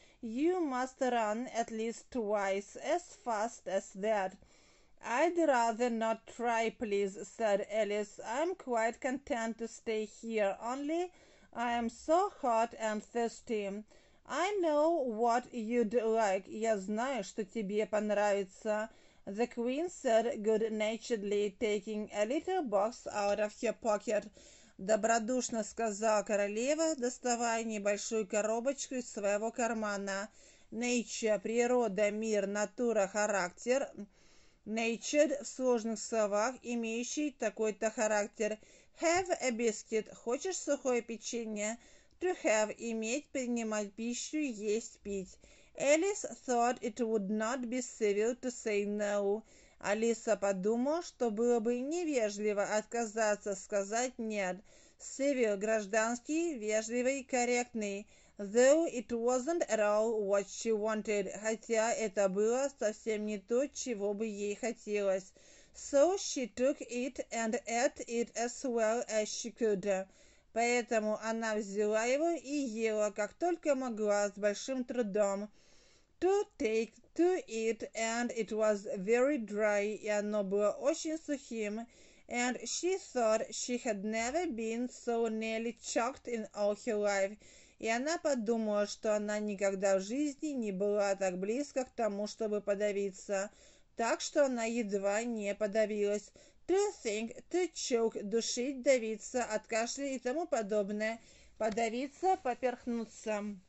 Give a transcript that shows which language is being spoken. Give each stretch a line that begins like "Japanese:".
English: You must run at least twice as fast as that. I'd rather not try, please, said Alice. I'm quite content to stay here, only I am so hot and thirsty. I know what you'd like.
Russian: Я знаю, что тебе понравится.
English: The queen said good-naturedly, taking a little box out of her pocket.
Russian: Добродушно сказала королева, доставая небольшую коробочку из своего кармана. Nature – природа, мир, натура, характер. Nature – в сложных словах, имеющий такой-то характер.
English: Have a biscuit
Russian: – хочешь сухое печенье? to have, иметь, принимать пищу, есть, пить.
English: Alice thought it would not be civil to say no.
Russian: Алиса подумала, что было бы невежливо отказаться сказать нет. Civil – гражданский, вежливый, корректный.
English: Though it wasn't at all what she wanted,
Russian: хотя это было совсем не то, чего бы ей хотелось.
English: So she took it and ate it as well as she could.
Russian: Поэтому она взяла его и ела, как только могла, с большим трудом.
English: To take to it, and it was very dry,
Russian: и оно было очень сухим.
English: And she thought she had never been so nearly choked in all her life.
Russian: И она подумала, что она никогда в жизни не была так близко к тому, чтобы подавиться. Так что она едва не подавилась.
English: To think, to choke,
Russian: душить, давиться, от кашля и тому подобное. Подавиться, поперхнуться.